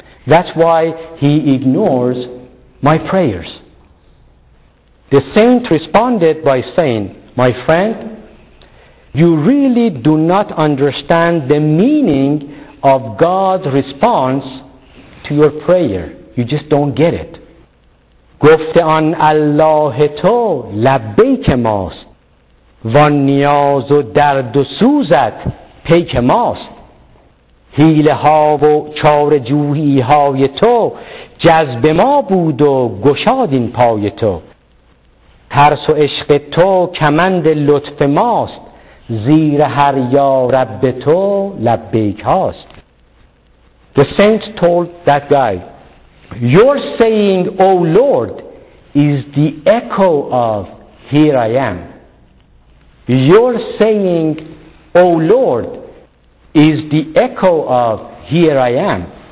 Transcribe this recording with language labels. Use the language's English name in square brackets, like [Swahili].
[English] That's why he ignores my prayers." The saint responded by saying, "My friend, you really do not understand the meaning of God's response to your prayer. You just don't get it. [Persian] گفتن الله تو لبیک ماست و نیاز و درد و سوزت پیک ماست حیله ها و چاره جویی های تو جذب ما بود و گشاد این پای تو ترس و عشق تو کمند لطف ماست زیر هر یا رب تو لبیک هاست." [English] The saint told that guy, "Your saying, 'O Lord,' is the echo of 'Here I am.' Your saying, 'O Lord,' is the echo of 'Here I am.'